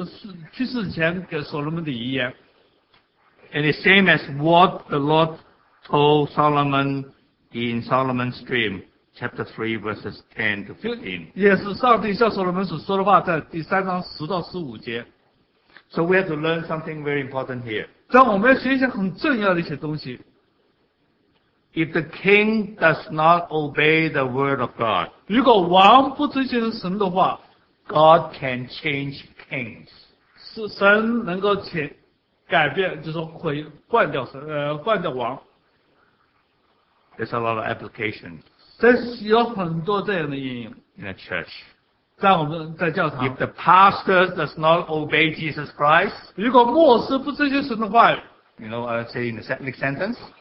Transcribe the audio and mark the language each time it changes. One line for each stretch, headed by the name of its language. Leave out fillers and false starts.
Chinese: 就是跟大卫王去世前给所罗门的遗言。
English: And the same as what the Lord told Solomon in Solomon's dream, chapter 3, verses 10 to 15.
Chinese: 也是上帝向所罗门所说的话在第三章10到15节。
English: So we have to learn something very important here.
Chinese: 但我们要学一些很重要的一些东西。
English: If the king does not obey the word of God,
Chinese: 如果王不遵循神的话,
English: God can change kings.
Chinese: 神能够改变，就是说换掉王。
English: There's a lot of application.
Chinese: 这是有很多这样的应用。
English: In a church.
Chinese: 在我们在教堂。
English: If the pastor does not obey Jesus Christ,
Chinese: 如果牧师不遵循神的话,
English: you know, I'll say in the second sentence.